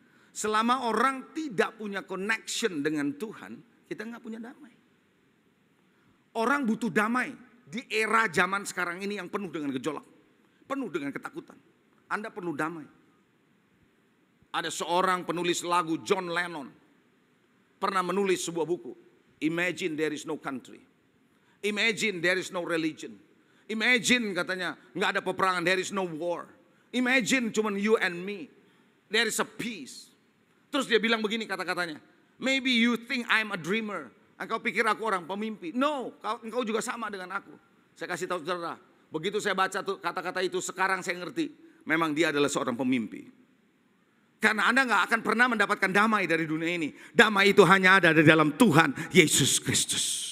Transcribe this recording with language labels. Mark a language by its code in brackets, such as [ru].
[id] Selama orang tidak punya connection dengan Tuhan, kita gak punya damai. Orang butuh damai di era zaman sekarang ini yang penuh dengan gejolak. Penuh dengan ketakutan. Anda perlu damai. Ada seorang penulis lagu, John Lennon, pernah menulis sebuah buku. [en] Imagine there is no country. Imagine there is no religion. Imagine [id] katanya gak ada peperangan, [en] there is no war. Imagine [id] cuma [en] you and me. There is a peace. [id] Terus dia bilang begini kata-katanya. [en] Maybe you think I'm a dreamer. [id] Engkau pikir aku orang pemimpi. No, engkau juga sama dengan aku. Saya kasih tahu saudara. Begitu saya baca tuh kata-kata itu, sekarang saya ngerti. Memang dia adalah seorang pemimpi. Karena Anda gak akan pernah mendapatkan damai dari dunia ini. Damai itu hanya ada di dalam Tuhan Yesus Kristus.